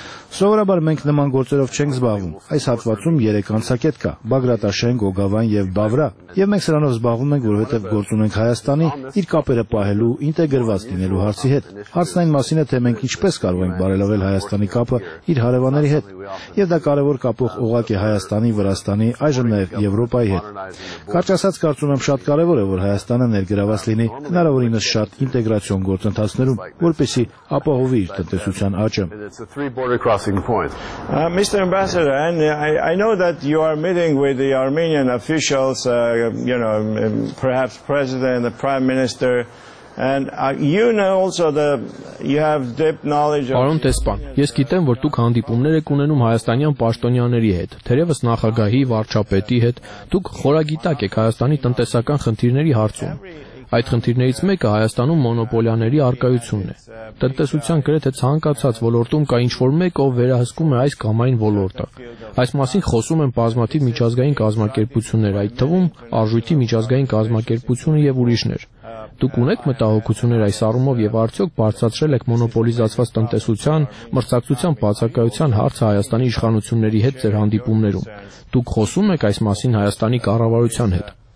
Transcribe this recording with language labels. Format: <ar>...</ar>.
<hy>Սովորաբար մենք նման գործերով չենք զբաղվում։ Այս հատվածում 3 անցակետ կա՝ Բագրատաշեն, Գոգավան եւ Բավրա։ Եվ մենք սրանով զբաղվում ենք, որովհետեւ գործում ենք Հայաստանի իր կապերը պահելու, ինտեգրված լինելու հարցի հետ։ Հարցն այն մասին է, թե մենք ինչպես կարող ենք բարելավել Հայաստանի կապը իր հարևանների հետ։ Եվ դա կարևոր կապող ուղակ է Հայաստանի, Վրաստանի, այժմ նաեւ Եվրոպայի հետ։ Կարճ ասած, կարծում եմ շատ կարևոր է, որ Հայաստանը ներգրավված լինի հնարավորինս շատ ինտեգրացիոն գործընթացներում, որպեսզի ապահովի իր տնտեսության աճը։</hy> <en>Mr. Ambassador, and I know that you are meeting with the Armenian officials, you know, perhaps President, the Prime Minister, and you know also that you have deep knowledge of.</en> <hy>Պարոն Տեսպան, ես գիտեմ, որ դուք հանդիպումներ եք ունենում հայաստանյան պաշտոնյաների հետ, թերևս նախագահի, վարչապետի հետ, դուք խորագիտակ եք Հայաստանի տնտեսական խնդիրների հարցում։ Այդ խնդիրներից մեկը Հայաստանում մոնոպոլիաների առկայությունն է։ Տնտեսության գրեթե ցանկացած ոլորտում կա ինչ-որ մեկը, ով վերահսկում է այս կամային ոլորտը։ Այս մասին խոսում են բազմաթիվ միջազգային կազմակերպություններ, այդ թվում արժույթի միջազգային կազմակերպությունը եւ ուրիշներ։ Դուք ունեք մտահոգություններ այս առումով եւ արդյոք բարձրացրել եք մոնոպոլիզացված տնտեսության, մրցակցության բացակայության հարցը Հայաստանի իշխանությունների հետ ձեր հանդիպումներում։ Դուք խոսում եք այս մասին Հայաստանի կառավարության հետ։</hy>